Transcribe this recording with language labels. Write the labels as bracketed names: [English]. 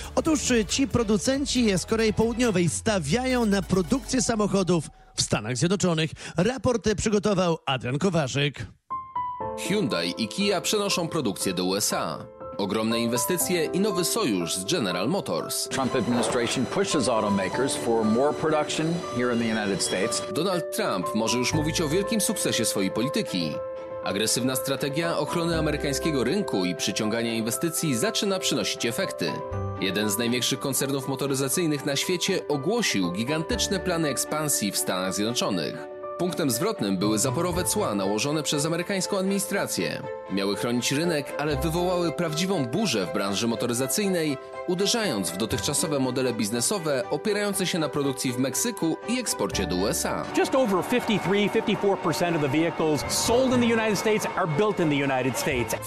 [Polish] Otóż ci producenci z Korei Południowej stawiają na produkcję samochodów w Stanach Zjednoczonych. Raport przygotował Adrian Kowarzyk. Hyundai i Kia przenoszą produkcję do USA. Ogromne inwestycje i nowy sojusz z General Motors. [English] Trump administration pushes automakers for more production here in the United States. [Polish] Donald Trump może już mówić o wielkim sukcesie swojej polityki. Agresywna strategia ochrony amerykańskiego rynku i przyciągania inwestycji zaczyna przynosić efekty. Jeden z największych koncernów motoryzacyjnych na świecie ogłosił gigantyczne plany ekspansji w Stanach Zjednoczonych. Punktem zwrotnym były zaporowe cła nałożone przez amerykańską administrację. Miały chronić rynek, ale wywołały prawdziwą burzę w branży motoryzacyjnej, uderzając w dotychczasowe modele biznesowe opierające się na produkcji w Meksyku i eksporcie do USA. [English] Just over 53-54% of the vehicles sold in the United States are built in the United States.